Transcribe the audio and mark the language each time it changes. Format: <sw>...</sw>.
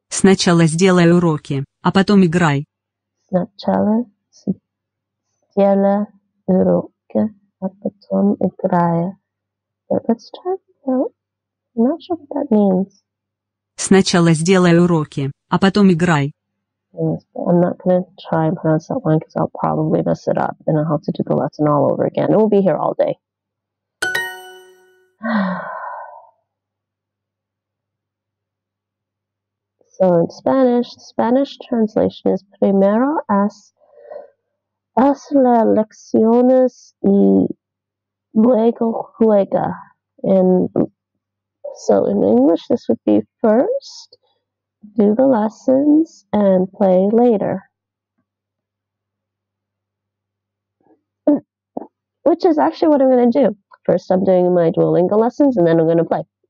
<ru>Сначала сделай уроки, а потом играй. Сначала сделай уроки, а потом играй.</ru> <en>Let's try it out. I'm not sure what that means.</en> <ru>Сначала сделай уроки, а потом играй.</ru> <en>Yes, but I'm not going to try and pronounce that one because I'll probably mess it up and I'll have to do the lesson all over again. It will be here all day. So in Spanish, Spanish translation is</en> <es>primero haz las lecciones y luego juega.</es> <en>And so in English, this would be first do the lessons and play later. Which is actually what I'm going to do. First, I'm doing my Duolingo lessons and then I'm going to play.</en>